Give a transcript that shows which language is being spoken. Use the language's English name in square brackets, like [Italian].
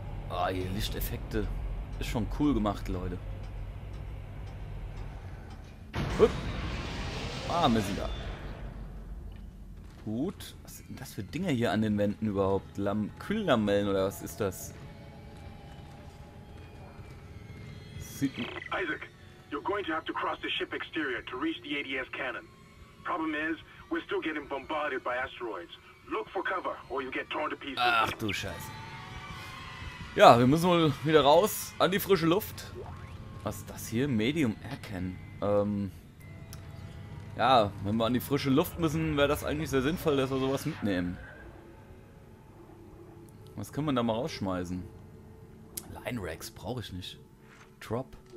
[German] Ah, hier Lichteffekte. Ist schon cool gemacht, Leute. Ah, wir sind da. Gut. Was sind denn das für Dinger hier an den Wänden überhaupt? Kühllamellen oder was ist das? [English] Isaac, you're going to have to cross the ship exterior to reach the ADS cannon. Problem is, we're still getting bombarded by asteroids. Look for cover or you get torn to pieces. [German] Ach du Scheiße. Ja, wir müssen wohl wieder raus an die frische Luft. Was ist das hier? Medium Air Cannon. Ja, wenn wir an die frische Luft müssen, wäre das eigentlich sehr sinnvoll, dass wir sowas mitnehmen. Was kann man da mal rausschmeißen? Line Racks brauche ich nicht. Drop.